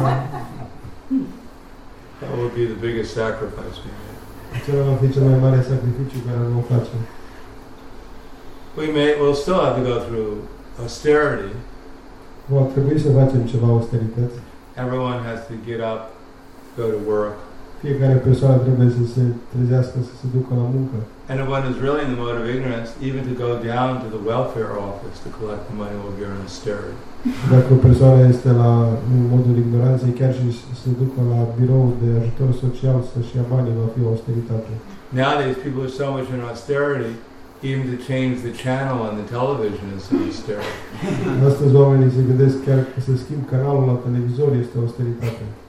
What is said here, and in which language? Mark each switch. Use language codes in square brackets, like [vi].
[en] That will be the biggest sacrifice we make. [ro] Acela va fi cel mai mare sacrificiu care vom face. [en] We may, we'll still have to go through austerity. [ro] Va trebui să facem ceva austerități. [en] Everyone has to get up, go to work. [ro] Fiecare persoană trebuie să se trezească, să se ducă la muncă. [en] And if one is really in the mode of ignorance, even to go down to the welfare office to collect the money will be an austerity. [ro] Dacă o persoană este la în modul ignoranței, chiar și să se ducă la birou de ajutor social să-și ia banii, va fi o austeritate. [en] Nowadays, people are so much in austerity, even to change the channel on the television is austerity. [ro] Astăzi oamenii se gândesc chiar că să schimb canalul la televizor este austeritate.